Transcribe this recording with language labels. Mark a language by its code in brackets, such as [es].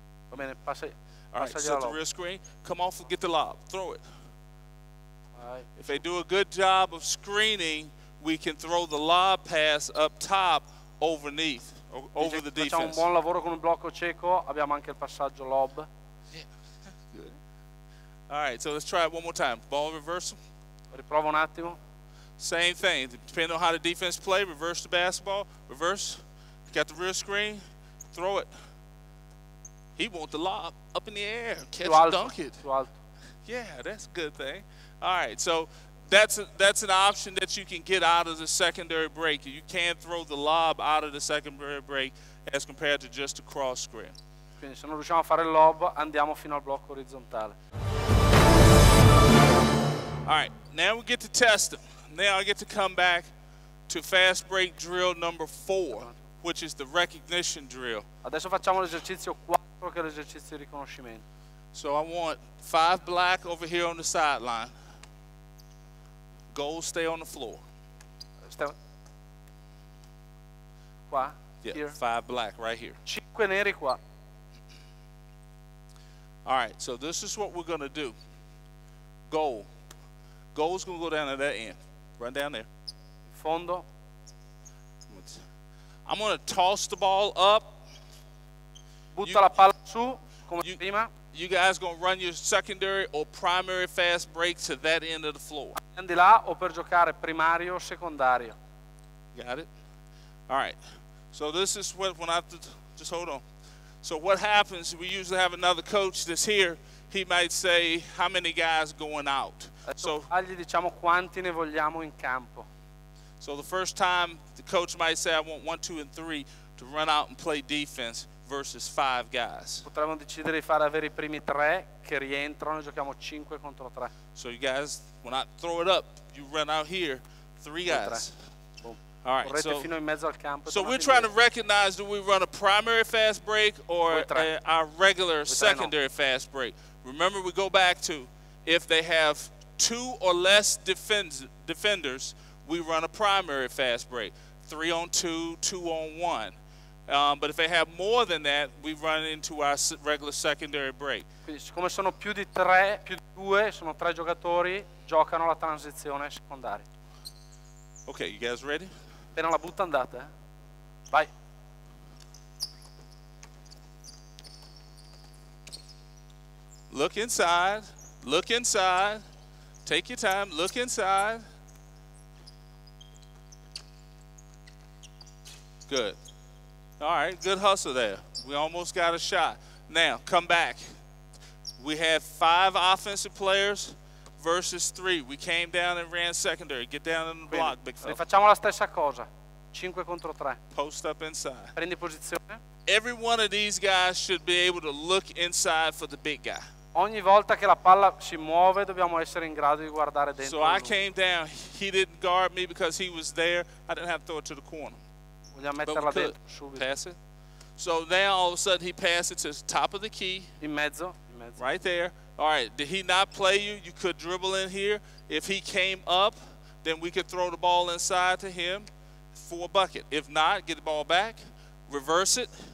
[it] Va bene, passa. [en] All right, set the rear screen. Come off and get the lob, throw it. [it] Vai. [en] If they do a good job of screening, we can throw the lob pass up top underneath, over the defense. [it] Facciamo un buon lavoro con un blocco cieco, abbiamo anche il passaggio lob. [en] All right, so let's try it one more time. Ball reversal. [it] Riprova un attimo. [en] Same thing. Depending on how the defense play, reverse the basketball. Reverse. Got the rear screen. Throw it. He wants the lob up in the air. Catch it, dunk it. Yeah, that's a good thing. All right, so that's an option that you can get out of the secondary break. You can throw the lob out of the secondary break as compared to just a cross screen. [it] Quindi se non riusciamo a fare il lob, andiamo fino al blocco orizzontale. [en] All right, now we get to test them. Now I get to come back to fast break drill number 4, which is the recognition drill. [it] Adesso facciamo l'esercizio 4, che è l'esercizio di riconoscimento. [en] So I want 5 black over here on the sideline. Goal, stay on the floor. Stay. [it] Qua, [en] yeah, here. 5 black right here. [it] 5 neri qua. [en] All right, so this is what we're going to do. Goal. Goal's gonna go down to that end. Run down there. [it] Fondo. [en] I'm gonna toss the ball up. [it] Butta la palla su, come prima. [en] You guys gonna run your secondary or primary fast break to that end of the floor. [it] Andi là o per giocare primario o secondario. [en] Got it? All right. So this is what, when I have to, just hold on. So what happens, we usually have another coach that's here. He might say, how many guys going out? [it] So, gli diciamo quanti ne vogliamo in campo. [en] So the first time the coach might say, I want 1, 2, and 3 to run out and play defense versus 5 guys. [it] Potremmo decidere di fare avere I primi 3 che rientrano e giochiamo 5 contro 3. [en] So you guys, when I throw it up, you run out here, 3 guys. All right, [it] correte fino in mezzo al campo. [en] So we're trying to recognize, do we run a primary fast break or a regular secondary fast break? Remember, we go back to if they have 2 or less defenders, we run a primary fast break. 3-on-2, 2-on-1. But if they have more than that, we run into our regular secondary break. [it] Quindi siccome sono più di 3, più di 2, sono 3 giocatori, giocano la transizione secondaria. [en] Okay, you guys ready? [it] Appena la butta andata, eh? Vai. [en] Look inside. Look inside. Take your time. Look inside. Good. All right. Good hustle there. We almost got a shot. Now, come back. We have 5 offensive players versus 3. We came down and ran secondary. Get down in the block, big fella. [it] Facciamo la stessa cosa. 5 contro 3. [en] Post up inside. [it] Prendi posizione. [en] Every one of these guys should be able to look inside for the big guy. [it] Ogni volta che la palla si muove dobbiamo essere in grado di guardare dentro. [en] So I came down. He didn't guard me because he was there. I didn't have to throw it to the corner. [it] Vogliamo metterla dentro subito. [en] Pass it. So now all of a sudden he passed it to the top of the key. [it] In mezzo. [en] Right there. All right. Did he not play you? You could dribble in here. If he came up, then we could throw the ball inside to him for a bucket. If not, get the ball back. Reverse it.